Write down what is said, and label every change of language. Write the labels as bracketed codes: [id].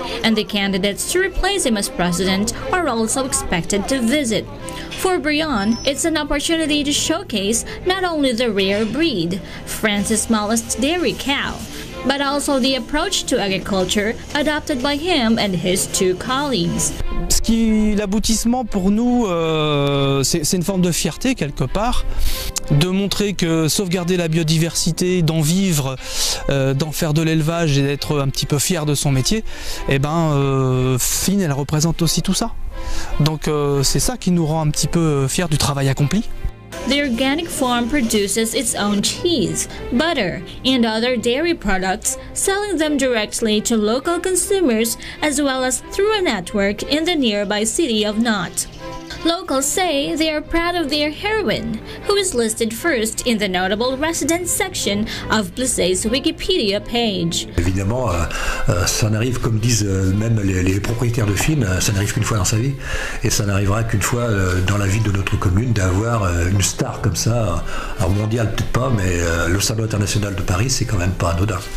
[en] And the candidates to replace him as president are also expected to visit. For Brion, it's an opportunity to showcase not only the rare breed, France's smallest dairy cow, but also the approach to agriculture adopted by him and his two colleagues. [fr] Ce qui l'aboutissement pour nous, c'est une forme de fierté quelque part, de montrer que sauvegarder la biodiversité, d'en vivre, d'en faire de l'élevage et d'être un petit peu fier de son métier, Fine, elle représente aussi tout ça. Donc c'est ça qui nous rend un petit peu fiers du travail accompli. [en] The organic farm produces its own cheese, butter, and other dairy products, selling them directly to local consumers as well as through a network in the nearby city of Nantes. Locals say they are proud of their heroine, who is listed first in the notable residents section of Blessé's Wikipedia page. [fr] Évidemment, ça n'arrive, comme disent même les propriétaires de Fine, ça n'arrive qu'une fois dans sa vie, et ça n'arrivera qu'une fois dans la vie de notre commune d'avoir une star comme ça, alors mondiale peut-être pas, mais le salon international de Paris, c'est quand même pas anodin.